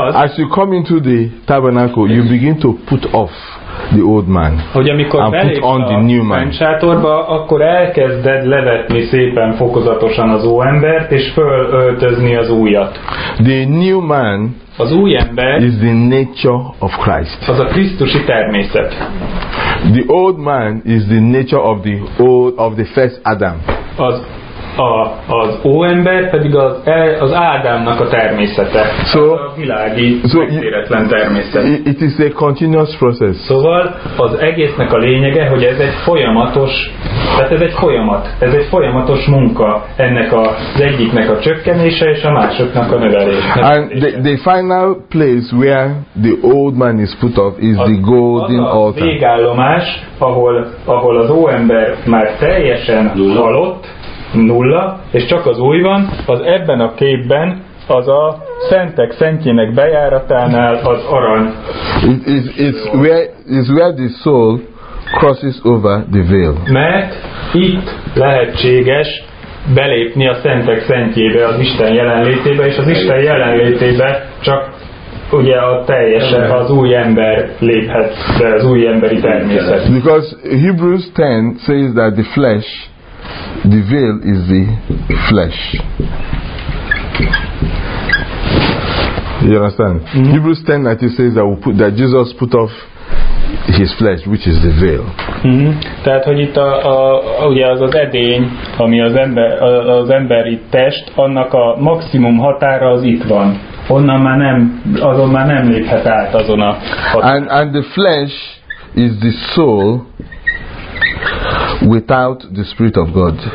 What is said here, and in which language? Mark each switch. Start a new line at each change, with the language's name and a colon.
English: as you come into the tabernacle, you begin to put off the old man.
Hungarian: Hogy amikor belépsz a fennsátorba, akkor elkezded levetni szépen fokozatosan az óembert és fölöltözni az újat.
English: The new man,
Hungarian: az új ember,
English: is the nature of Christ.
Hungarian: Az a krisztusi természet.
English: The old man is the nature of the old of the first Adam.
Hungarian: Az óember pedig az Ádámnak a természete,
English: so,
Hungarian: a világi megtéretlen természet.
English: It is a continuous process.
Hungarian: Szóval az egésznek a lényege, hogy ez egy folyamatos, tehát ez egy folyamat, ez egy folyamatos munka, ennek az egyiknek a csökkenése és a másoknak a növelése.
English: And the final place where the old man is put off is the golden altar.
Hungarian: A végállomás, ahol az óember már teljesen halott, nulla, és csak az új van, az ebben a képben az a szentek szentjének bejáratánál az arany.
English: It's where the soul crosses over the veil.
Hungarian: Mert itt lehetséges belépni a szentek szentjébe, az Isten jelenlétébe, és az Isten jelenlétébe csak ugye a teljesen az új ember léphet be, az új emberi természet.
English: Because Hebrews 10 says that the flesh, the veil is the flesh. You understand? Mm-hmm. Hebrews 10:19 says that Jesus put off his flesh, which is the veil. Mm-hmm.
Hungarian: Tehát hogy itt ugye az edény, ami az emberi test, annak a maximum határa az itt van. Onnan már nem, azon már nem léphet át azon a határa.
English: And the flesh is the soul without the Spirit of God.